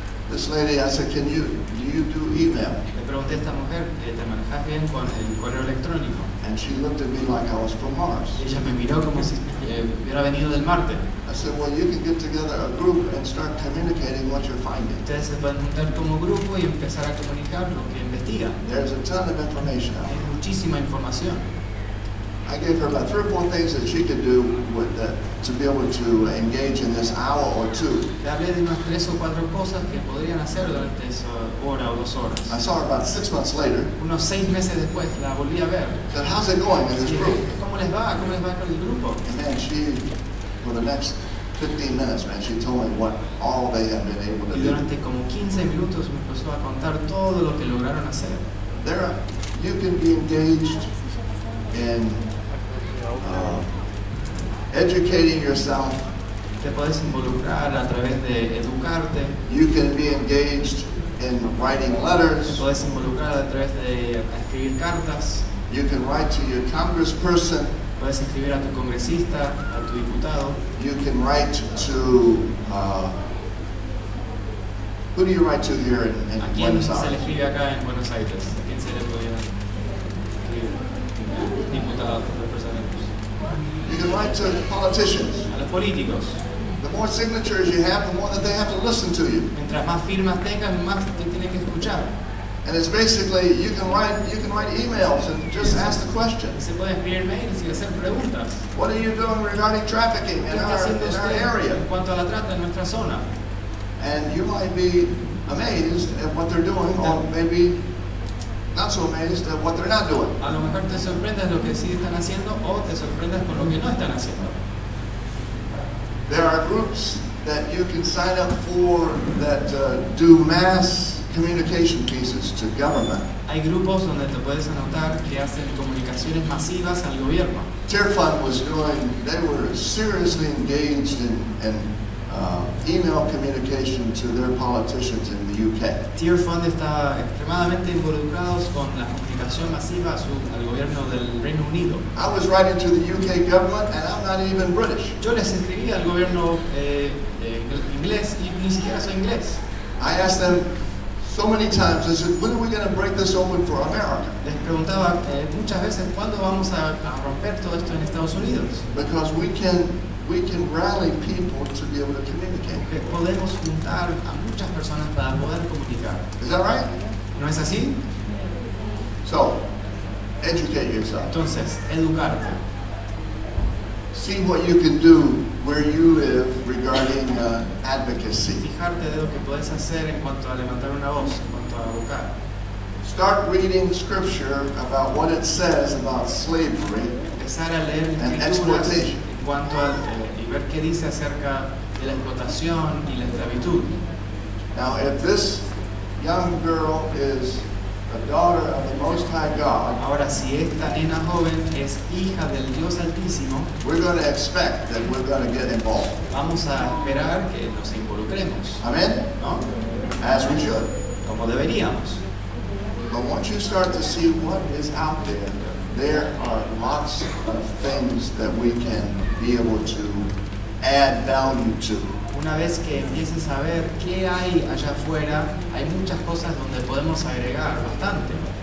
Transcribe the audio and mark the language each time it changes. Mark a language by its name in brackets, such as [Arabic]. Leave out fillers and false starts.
[English] This lady, I said, can you do email? [Spanish] Le pregunté a esta mujer, ¿te manejas bien con el correo electrónico? [English] And she looked at me like I was from Mars. [Spanish] Ella me miró como si hubiera venido del Marte. [English] I said, well, you can get together a group and start communicating what you're finding. [Spanish] Ustedes se pueden juntar como grupo y empezar a comunicar lo que investigan. [English] There's a ton of information. [Spanish] Hay muchísima información. [English] I gave her about 3 or 4 things that she could do with that to be able to engage in this hour or two. [Spanish] Le hablé de unas 3 o 4 cosas que podrían hacer durante esa hora o dos horas. [English] I saw her about 6 months later. [Spanish] Unos 6 meses después la volví a ver. [English] Said, how's it going in this group? [Spanish] ¿Cómo les va? ¿Cómo les va con el grupo? [English] And then she, for the next 15 minutes, man, she told me what all they had been able to do. [Spanish] Y durante como 15 minutos me empezó a contar todo lo que lograron hacer. [English] There, you can be engaged in educating yourself. [Spanish] Te puedes involucrar a través de educarte. [English] You can be engaged in writing letters. [Spanish] Te puedes involucrar a través de escribir cartas. [English] You can write to your congressperson. [Spanish] Puedes escribir a tu congresista, a tu diputado. [English] You can write to who do you write to here in Buenos Aires? [Spanish] ¿A quién se le escribe acá en Buenos Aires? ¿A quién se le podría escribir? Diputado. [English] You can write to politicians. [Spanish] A los políticos. [English] The more signatures you have, the more that they have to listen to you. [Spanish] Mientras más firmas tengas, más te tienen que escuchar. [English] And it's basically you can write emails and just ask the question. [Spanish] Se puede escribir mails y hacer preguntas. [English] What are you doing regarding trafficking in our area? [Spanish] En cuanto a la trata en nuestra zona. [English] And you might be amazed at what they're doing, or maybe not so amazed at what they're not doing. [Spanish] A lo mejor te sorprendas lo que sí están haciendo o te sorprendas con lo que no están haciendo. [English] There are groups that you can sign up for that do mass communication pieces to government. [Spanish] Hay grupos donde te puedes anotar que hacen comunicaciones masivas al gobierno. [English] TIRFUN was doing, they were seriously engaged in email communication to their politicians in the UK. [Spanish] TIRFUN está extremadamente involucrados con la comunicación masiva al gobierno del Reino Unido. [English] I was writing to the UK government and I'm not even British. [Spanish] Yo les escribí al gobierno inglés y ni siquiera soy inglés. [English] I asked them so many times, I said, when are we going to break this open for America? [Spanish] Les preguntaba muchas veces, ¿cuándo vamos a romper todo esto en Estados Unidos? [English] Because we can rally people to be able to communicate. [Spanish] Porque podemos juntar a muchas personas para poder comunicar. [English] Is that right? [Spanish] ¿No es así? [English] So, educate yourself. [Spanish] Entonces, educarte. [English] See what you can do where you live regarding advocacy. [Spanish] Fijarte de lo que puedes hacer en cuanto a levantar una voz, en cuanto a abogar. [English] Start reading scripture about what it says about slavery and exploitation. [Spanish] En cuanto a y ver qué dice acerca de la explotación y la esclavitud. [English] Now, if this young girl is a daughter of the Most High God, [Spanish] ahora, si esta nena joven es hija del Dios Altísimo, [English] we're going to expect that we're going to get involved. [Spanish] Vamos a esperar que nos involucremos. [English] Amen. [Spanish] ¿No? [English] As we should. [Spanish] Como deberíamos. [English] But once you start to see what is out there, there are lots of things that we can be able to add value to. [Spanish] Una vez que empieces a ver qué hay allá afuera, hay muchas cosas donde podemos agregar bastante.